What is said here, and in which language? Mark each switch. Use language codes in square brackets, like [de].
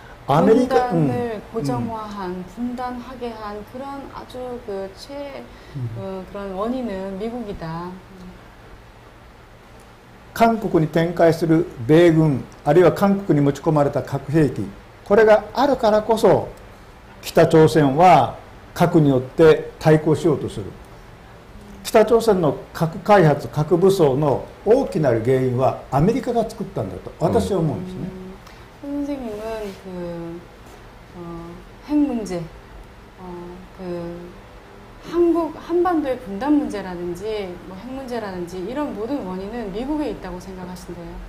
[ko] 아메리카를 고정화한 분단하게 한 그런 아주 그 최 그런 원인은 미국이다. 한국에 [ja] 展開する [ko] 미군 아니면 한국에 [ja] 持ち込まれた 核兵器 これが あるからこそ 北朝鮮は 核によって対抗しようとする。北朝鮮の核開発、核武装の大きなる原因はアメリカが作ったんだと私は思うんですね。 [ko] 선생님은 그 핵 문제, 그 한국 한반도의 분단 문제라든지 뭐 핵 문제라든지 이런 모든 원인은 미국에 있다고 생각하신대요.